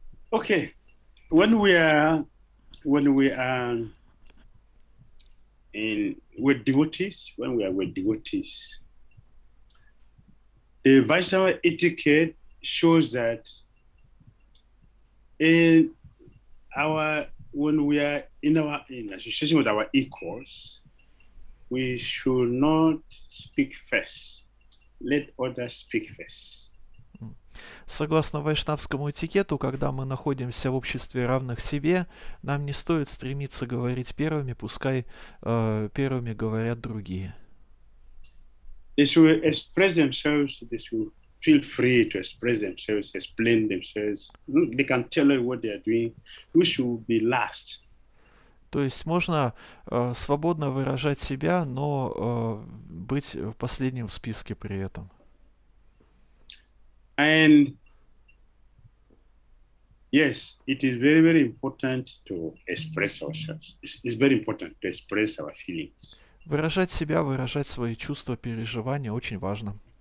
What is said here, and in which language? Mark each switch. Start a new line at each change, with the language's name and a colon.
English: Okay, when we are in with devotees, when we are with devotees, the Vaishnava etiquette shows that when we are in association with our equals, we should not speak first. Let others speak first.
Russian: Согласно вайшнавскому этикету, когда мы находимся в обществе равных себе, нам не стоит стремиться говорить первыми, пускай первыми говорят другие.
English: They will express themselves, they will feel free to express themselves, explain themselves. They can tell you what they are doing. We should be last.
Russian: То есть можно свободно выражать себя, но быть последним в списке при этом.
English: And yes, it is very, very important to express ourselves. It's very important to express our feelings.
Russian: Выражать себя, выражать свои чувства, переживания очень важно.